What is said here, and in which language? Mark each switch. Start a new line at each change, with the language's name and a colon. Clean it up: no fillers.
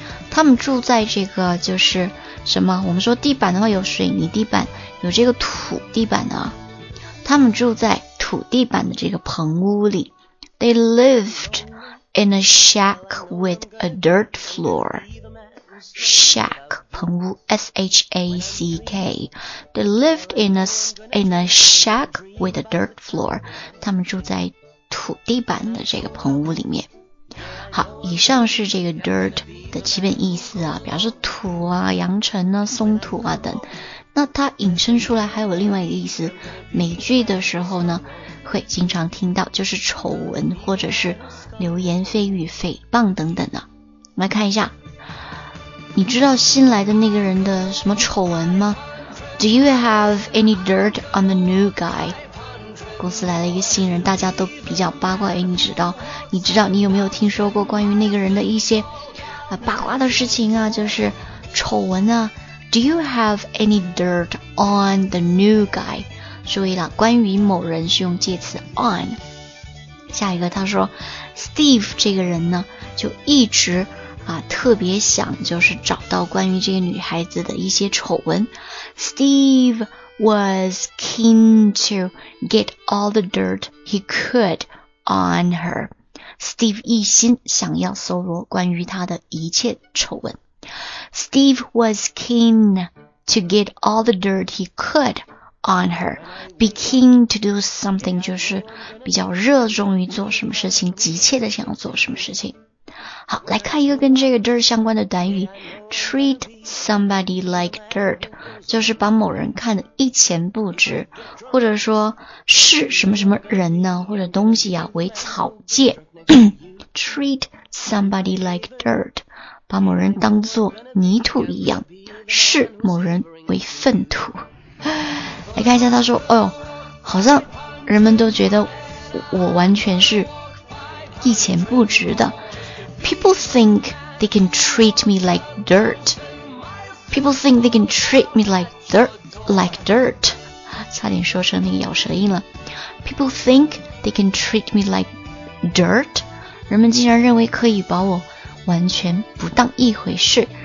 Chinese: 他们住在这个就是什么，我们说地板的话有水泥地板，有这个土地板的啊，他们住在土地板的这个棚屋里。
English: They lived in a shack with a dirt floor. Shack, 棚屋 S-H-A-C-K. They lived in a shack with a dirt floor.
Chinese: 他们住在土地板的这个棚屋里面。好，以上是这个 dirt 的基本意思啊，表示土啊、扬尘啊、松土啊等。那它引申出来还有另外一个意思，美剧的时候呢会经常听到，就是丑闻或者是流言蜚语、诽谤等等的。我们来看一下，你知道新来的那个人的什么丑闻吗？
English: Do you have any dirt on the new guy?
Chinese: 公司来了一个新人，大家都比较八卦，哎，你知道你有没有听说过关于那个人的一些八卦的事情啊，就是丑闻啊。
English: Do you have any dirt on the new guy?
Chinese: 注意了，关于某人是用介词 on。下一个他说 Steve 这个人呢就一直特别想就是找到关于这个女孩子的一些丑闻。
English: Steve was keen to get all the dirt he could on her.
Chinese: Steve 一心想要搜罗关于她的一切丑闻。
English: Steve was keen to get all the dirt he could on her. Be keen to do something
Chinese: 就是比较热衷于做什么事情，急切的想要做什么事情。好，来看一个跟这个 dirt 相关的短语，
English: treat somebody like dirt
Chinese: 就是把某人看得一钱不值，或者说视什么什么人呢或者东西啊为草芥。
English: treat somebody like dirt，
Chinese: 把某人当作泥土一样，视某人为粪土。来看一下，他说：“哦，好像人们都觉得 我完全是一钱不值的。”
English: People think they can treat me like dirt. People think they can treat me like dirt, like dirt.
Chinese: 差点说成那个咬舌音了。
English: People think they can treat me like dirt.
Chinese: 人们竟然认为可以把我完全不当一回事。